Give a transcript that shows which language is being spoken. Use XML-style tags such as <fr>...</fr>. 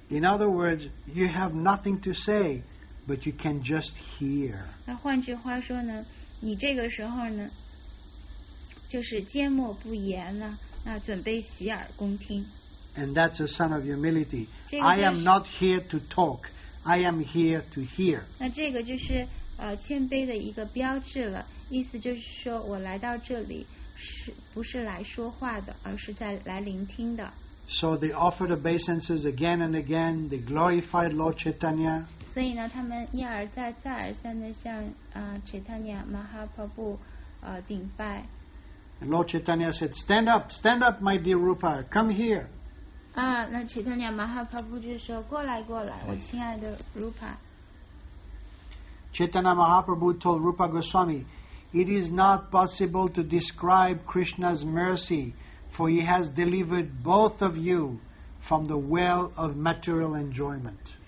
<en>In other words, you have nothing to say, but you can just hear.</en> <zh>那换句话说呢，你这个时候呢，就是缄默不言了，那准备洗耳恭听。</zh> <en>And that's a sign of humility. I am not here to talk. I am here to hear.</en> <zh>那这个就是谦卑的一个标志了。意思就是说我来到这里是不是来说话的，而是在来聆听的。</zh> <en>So they offered obeisances again and again. They glorified Lord Chaitanya.</en> <zh>所以呢，他们一而再再而三地向Chaitanya Mahaprabhu 顶拜。</zh> <en>And Lord Chaitanya said, stand up, stand up, my dear Rupa, come here.</en> <zh>那 Chaitanya Mahaprabhu 就说过来过来，我亲爱的 Rupa。</zh> <en>Chaitanya Mahaprabhu told Rupa Goswami, it is not possible to describe Krishna's mercy, for he has delivered both of you from the well of material enjoyment.</en>